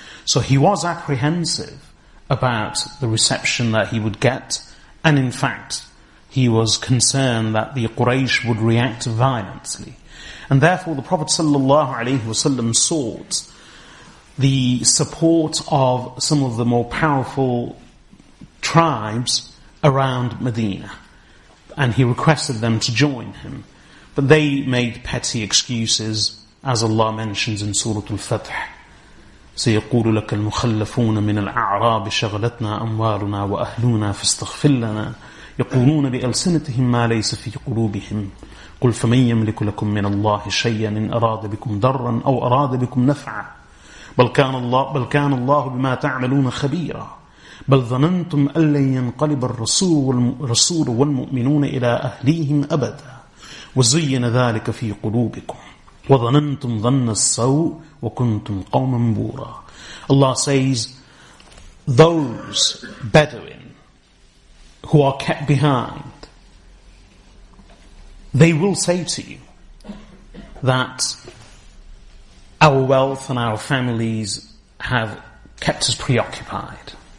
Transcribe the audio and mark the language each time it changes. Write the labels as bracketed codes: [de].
[en] So he was apprehensive about the reception that he would get, and in fact, he was concerned that the Quraysh would react violently. And therefore, the Prophet sallallahu alaihi wasallam sought the support of some of the more powerful tribes around Medina, and he requested them to join him. But they made petty excuses, as Allah mentions in Surah Al-Fath, [ar] سَيَقُولُ لَكَ الْمُخَلَّفُونَ مِنَ الْأَعْرَابِ شَغَلَتْنَا أَمْوَالُنَا وَأَهْلُونَا فَاسْتَغْفِرْ لَنَا يَقُولُونَ بِأَلْسِنَتِهِمْ مَا لَيْسَ فِي قُلُوبِهِمْ قُلْ فَمَنْ يَمْلِكُ لَكُمْ مِنَ اللَّهِ شَيْئًا إِنْ أَرَادَ بِكُمْ ضَرًّا أَوْ أَرَادَ بِكُمْ نَفْعًا بَلْ كَانَ اللَّهُ بِمَا تَعْمَلُونَ خَبِيرًا بَلْ ظَنَنْتُمْ أَنْ لَنْ يَنْقَلِبَ الرَّسُولُ وَالْمُؤْمِنُونَ إِلَى أَهْلِيهِمْ أَبَدًا وَزُيِّنَ ذَلِكَ فِي قُلُوبِكُمْ وَظَنَنْتُمْ ظَنَّ السَّوءِ وَكُنْتُمْ قَوْمًا بُورًا. [en] Allah says, those Bedouin who are kept behind, They will say to you that our wealth and our families have kept us preoccupied.